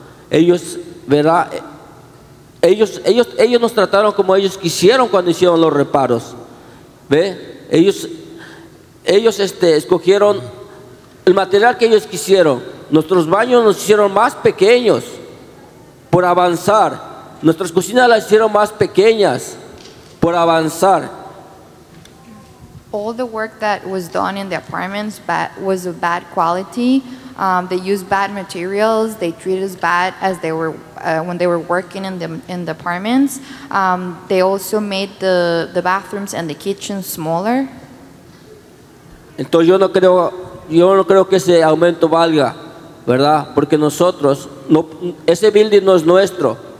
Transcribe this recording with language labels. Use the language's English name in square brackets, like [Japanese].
[Spanish] Ellos, ¿verdad? Ellos nos trataron como ellos quisieron cuando hicieron los reparos. ¿Ve? Ellos escogieron el material que ellos quisieron. Nuestros baños nos hicieron más pequeños por avanzar. Nuestras cocinas las hicieron más pequeñas por avanzar. [English] All the work that was done in the apartments was of bad quality. They used bad materials. They treated us bad as they were when they were working in the apartments. They also made the bathrooms and the kitchen smaller. [Spanish] Entonces yo no creo que ese aumento valga. ¿Verdad? Porque nosotros, no, ese building no es nuestro.